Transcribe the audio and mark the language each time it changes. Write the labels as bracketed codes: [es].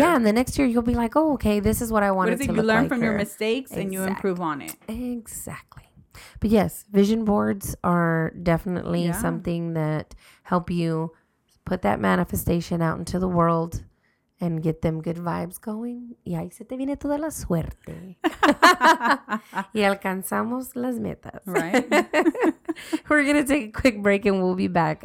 [en] Yeah, and the next year, you'll be like, oh, okay, this is what I wanted to look like. You learn like from her. Your mistakes exactly. and you improve on it. Exactly. But yes, vision boards are definitely yeah. something that help you put that manifestation out into the world. And get them good vibes going. [es] Y ahí se te viene toda la suerte. Y alcanzamos las metas. [en] Right. We're going to take a quick break and we'll be back.